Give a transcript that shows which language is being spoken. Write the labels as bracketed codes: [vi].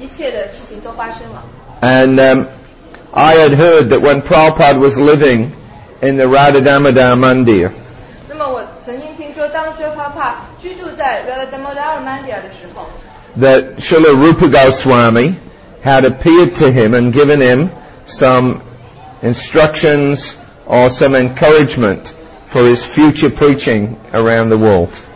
[zh] 只是在前面的时期呢，是一个非常挣扎的时期，但是在这之后，在十年当中，一下子一切的事情都发生了。 [en] And I had heard that when Prabhupada was living in the Radha-Damodar Mandir, [zh] 那么我曾经听说，当Shri Prabhupada居住在Radha-Damodar Mandir的时候， [en] that Srila Rupa Goswami had appeared to him and given him some instructions or some encouragement for his future preaching around the world.